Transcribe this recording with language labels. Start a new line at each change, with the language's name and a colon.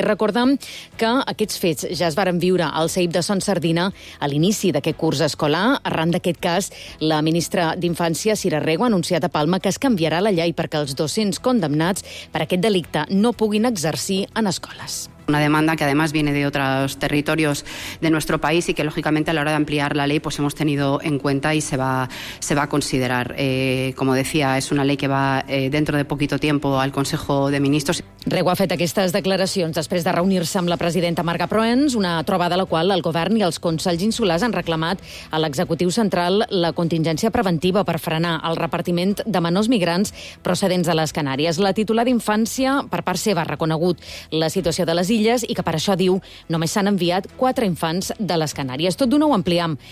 Catalan: Recordem que aquests fets ja es varen viure al CEIP de Son Sardina a l'inici d'aquest curs escolar. Arran d'aquest cas, la ministra d'Infància, Cira Rego, ha anunciat a Palma que es canviarà la llei perquè els docents condemnats per aquest delicte no puguin exercir en escoles.
Spanish: Una demanda que además viene de otros territorios de nuestro país y que lógicamente a la hora de ampliar la ley pues hemos tenido en cuenta y se va a considerar. Como decía, es una ley que va dentro de poquito tiempo al Consejo de Ministros.
Catalan: Rego ha fet aquestes declaracions després de reunir-se amb la presidenta Marga Proens, una trobada a la qual el govern i els consells insulars han reclamat a l'executiu central la contingència preventiva per frenar el repartiment de menors migrants procedents de les Canàries. La titular d'Infància, per part seva, ha reconegut la situació de les illes i que per això diu només s'han enviat 4 infants de les Canàries. Tot d'una ho ampliem.